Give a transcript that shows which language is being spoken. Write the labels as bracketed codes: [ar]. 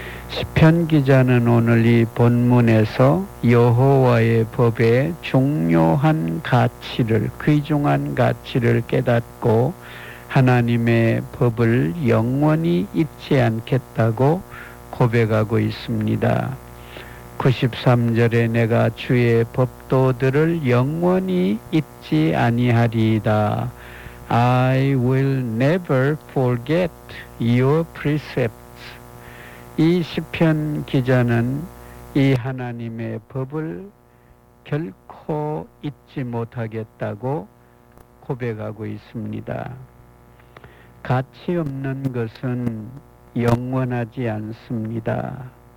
[ko] 시편 기자는 오늘 이 본문에서 여호와의 법의 중요한 가치를, 귀중한 가치를 깨닫고 하나님의 법을 영원히 잊지 않겠다고 고백하고 있습니다. 93절에 내가 주의 법도들을 영원히 잊지 아니하리이다. [en] I will never forget your precepts. [ko] 이 시편 기자는 이 하나님의 법을 결코 잊지 못하겠다고 고백하고 있습니다. 가치 없는 것은 영원하지 않습니다.